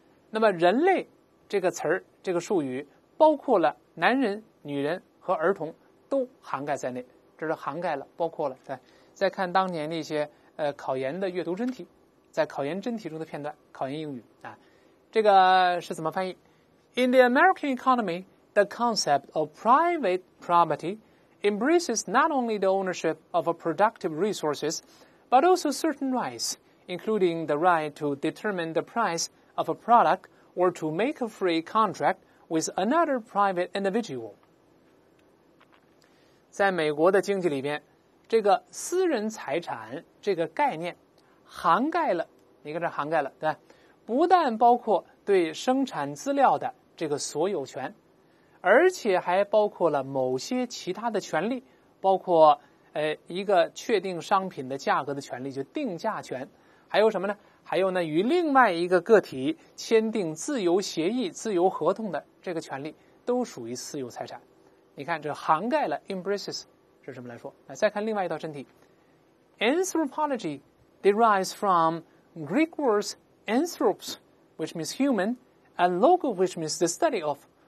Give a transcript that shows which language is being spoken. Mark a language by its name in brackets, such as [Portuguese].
[Chinese] 那么人类这个词儿、这个术语包括了男人、女人和儿童都涵盖在内，这是涵盖了、包括了。对，再看当年那些考研的阅读真题，在考研真题中的片段，考研英语啊，这个是怎么翻译？ [English] In the American economy, the concept of private property embraces not only the ownership of productive resources, but also certain rights, including the right to determine the price of a product or to make a free contract with another private individual. [Chinese] 在美国的经济里面，这个私人财产这个概念涵盖了，你看这涵盖了，对吧？不但包括对生产资料的这个所有权，而且还包括了某些其他的权利，包括一个确定商品的价格的权利，就定价权，还有什么呢？还有呢，与另外一个个体签订自由协议、自由合同的这个权利，都属于私有财产。你看，这涵盖了 embraces 是什么来说？那再看另外一道真题 [English] ，anthropology derives from Greek words anthropos, which means human, and logos, which means the study of.